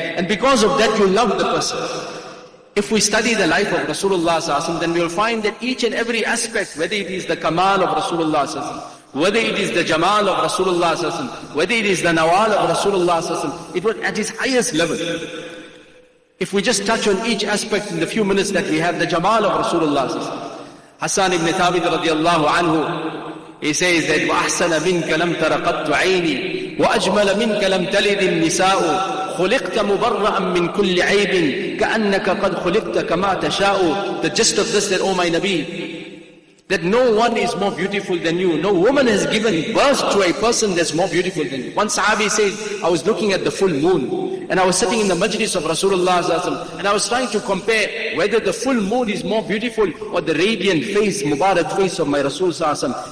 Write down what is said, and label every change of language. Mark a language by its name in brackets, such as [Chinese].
[English] And because of that you love the person. If we study the life of Rasulullah SAW, then we will find that each and every aspect, whether it is the kamal of Rasulullah SAW, whether it is the jamal of Rasulullah SAW, whether it is the nawal of Rasulullah SAW, it was at his highest level. If we just touch on each aspect in the few minutes that we have, the jamal of Rasulullah SAW. Hassan ibn Thabit radiallahu anhu, he says that [Arabic] وَأَحْسَنَ مِنْكَ لَمْ تَرَقَدْتُ عَيْنِي وَأَجْمَلَ مِنْكَ لَمْ تَلِدِ النِّسَاءُ خُلِقْتَ مُبَرَّأً مِنْ كُلِّ عَيْبٍ كَأَنَّكَ قَدْ خُلِقْتَ كَمَا تَشَاءُ. [English] The gist of this, that oh my Nabi, that no one is more beautiful than you. No woman has given birth to a person that's more beautiful than you. One Sahabi says, I was looking at the full moon and I was sitting in the majlis of Rasulullah SAW, and I was trying to compare whether the full moon is more beautiful or the radiant face, Mubarak face of my Rasul SAW.